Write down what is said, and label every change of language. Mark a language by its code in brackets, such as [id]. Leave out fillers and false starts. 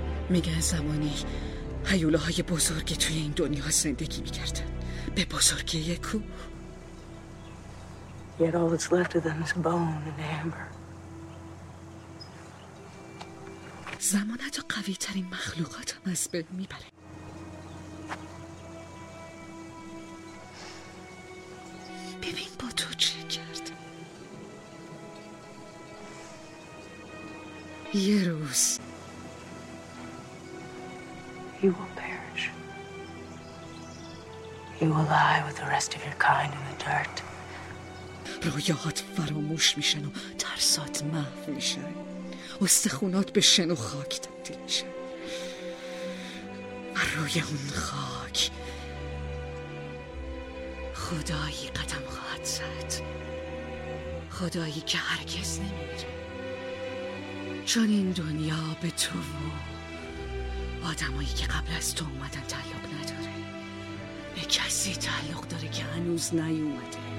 [fa] میگن زمانی هیولاهای بزرگ توی این دنیا زندگی می کردن به بزرگی یک کو. [en] Yet all that's left of them is a bone and amber. [fa] زمان حتی قوی ترین مخلوقات هم از بین میبره. ببین با تو چه کرد. یه روز [en] You will perish. You will lie with the rest of your kind in the dirt. [fa] رویاهات فراموش میشن و ترسات محو میشن، استخونات به شن و خاک تبدیل شد. روی اون خاک خدایی قدم خواهد زد، خدایی که هرگز نمیره، چون این دنیا به تو و آدمایی که قبل از تو اومدن تعلق نداره، به کسی تعلق داره که هنوز نیومده.